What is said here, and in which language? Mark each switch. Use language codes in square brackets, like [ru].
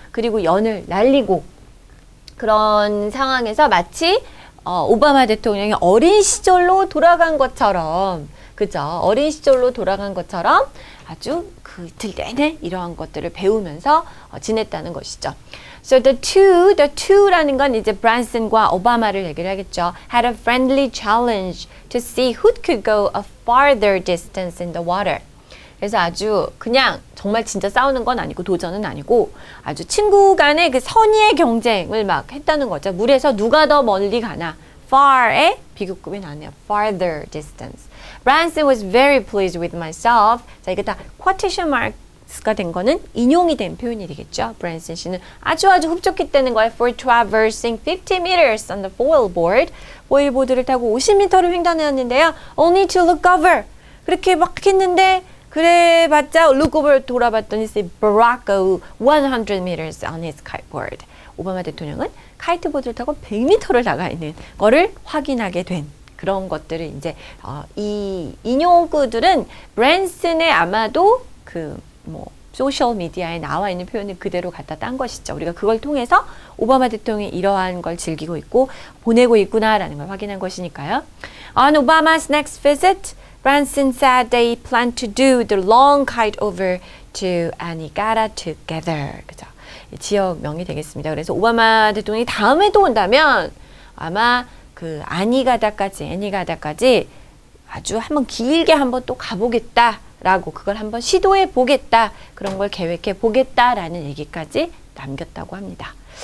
[ko] 그리고 연을 날리고 그런 상황에서 마치 오바마 대통령이 어린 시절로 돌아간 것처럼, 그렇죠? 어린 시절로 돌아간 것처럼 아주 그 이틀 내내 이러한 것들을 배우면서 지냈다는 것이죠. [en] So the two [ko] 라는 건 이제 브랜슨과 오바마를 얘기를 하겠죠. [en] Had a friendly challenge to see who could go a farther distance in the water. [ko] 그래서 아주 그냥 정말 진짜 싸우는 건 아니고 도전은 아니고 아주 친구 간의 그 선의의 경쟁을 막 했다는 거죠. 물에서 누가 더 멀리 가나. far에 비교급이 나네요. [en] farther distance. Branson was very pleased with myself. [ko] 자, 이게 다 quotation marks가 된 거는 인용이 된 표현이 되겠죠. Branson 씨는 아주 아주 흡족했다는 거예요. [en] For traversing 50 meters on the foil board. [ko] 보일보드를 타고 50m를 횡단했는데요. [en] Only to look over. [ko] 그렇게 막 했는데 그래봤자 [en] look over [ko] 돌아봤더니 [en] see Barack go 100 meters on his kiteboard. [ko] 오바마 대통령은 카이트보드를 타고 100m를 나가 있는 거를 확인하게 된 그런 것들을 이제 이 인용구들은 브랜슨의 아마도 그 뭐 소셜 미디어에 나와 있는 표현을 그대로 갖다 딴 것이죠. 우리가 그걸 통해서 오바마 대통령이 이러한 걸 즐기고 있고 보내고 있구나라는 걸 확인한 것이니까요. [en] On Obama's next visit, Branson said they plan to do the long kite over to Anigara together. [ko] 그죠? 지역명이 되겠습니다. 그래서 오바마 대통령이 다음에 또 온다면 아마 그 아니가다까지 애니가다까지 아주 한번 길게 한번 또 가보겠다라고 그걸 한번 시도해 보겠다 그런 걸 계획해 보겠다라는 얘기까지 남겼다고 합니다.